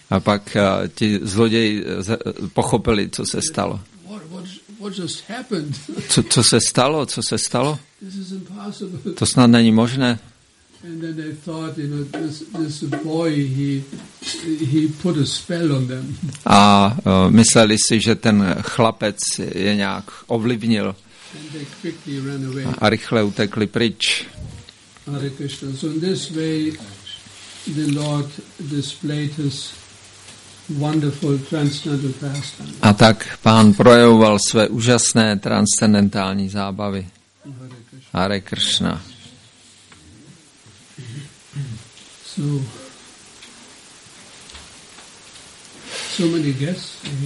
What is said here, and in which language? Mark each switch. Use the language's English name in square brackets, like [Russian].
[Czech] A pak ti zloději pochopili, co se stalo. [English] What, what, what just happened? [Czech] Co se stalo? Co se stalo? [English] This is impossible. [Czech] To snad není možné. [English] And then they thought, you know, this boy, he put a spell on them. [Czech] A mysleli si, že ten chlapec je nějak ovlivnil. [English] And they quickly ran away. [Czech] A rychle utekli pryč. [Sanskrit] Hare Krishna. [English] So in this way, the Lord displayed his wonderful transcendental pastime. [Czech] A tak pán projevoval své úžasné transcendentální zábavy. [Sanskrit] Hare Krishna. [English] So many guests.